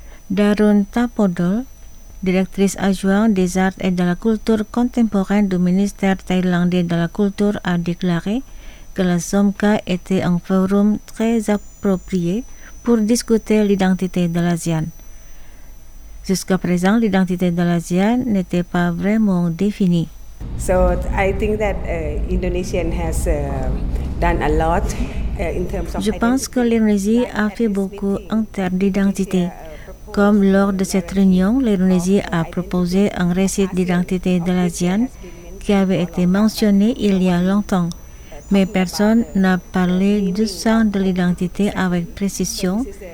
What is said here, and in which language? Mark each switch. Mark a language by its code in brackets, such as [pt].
[fr] Darun Tapodol, directrice adjointe des arts et de la culture contemporaine du ministère thaïlandais de la culture, a déclaré que la SOMKA était un forum très approprié pour discuter l'identité de l'ASEAN. Jusqu'à présent, l'identité de l'ASEAN n'était pas vraiment définie. [en] So I think that Indonesian has done a lot. [fr] Je pense que l'Indonésie a fait beaucoup en termes d'identité. Comme lors de cette réunion, l'Indonésie a proposé un récit d'identité de l'ASEAN qui avait été mentionné il y a longtemps. Mais personne n'a parlé du sens de l'identité avec précision.